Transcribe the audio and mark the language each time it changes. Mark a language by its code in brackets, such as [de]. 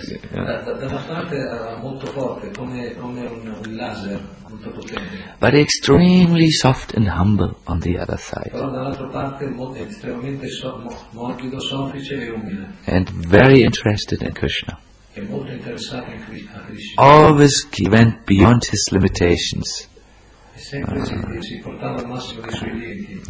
[it] Da parte molto forte, come un laser molto potente. [en] But extremely soft and humble on the other side. [it] Però dall'altra parte estremamente morbido, soffice e umile. [en] And very interested in Krishna. [it] E molto interessato in Krishna. [en] Always he went beyond his limitations. [it] Si portava al massimo dei suoi limiti.